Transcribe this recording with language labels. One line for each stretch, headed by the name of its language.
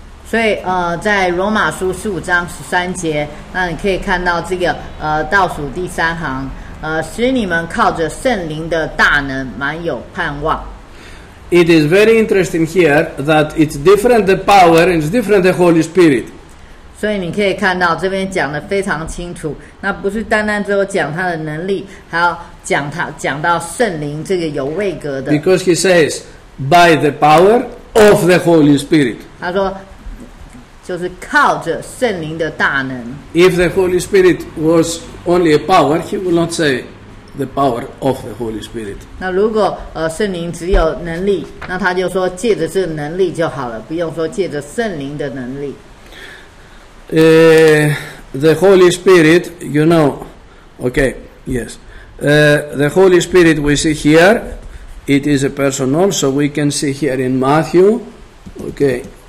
Chinese: 所以在罗马书十五章十三节，那你可以看到这个倒数第三行。使你们靠着圣灵的大能满有盼望。
English: It is very interesting here that it's different the power and it's different the Holy Spirit.
Chinese: 所以你可以看到这边讲得非常清楚，那不是单单只有讲他的能力，还要讲到圣灵这个有位格的。
English: Because he says by the power of the Holy Spirit.
Chinese: 他说就是靠着圣灵的大能。
English: If the Holy Spirit was only a power, he would not say the power of the Holy Spirit.
Chinese: 那如果圣灵只有能力，那他就说借着这个能力就好了，不用说借着圣灵的能力。
English: The Holy Spirit, you know, okay, yes. The Holy Spirit we see here, it is a person also. We can see here in Matthew, okay.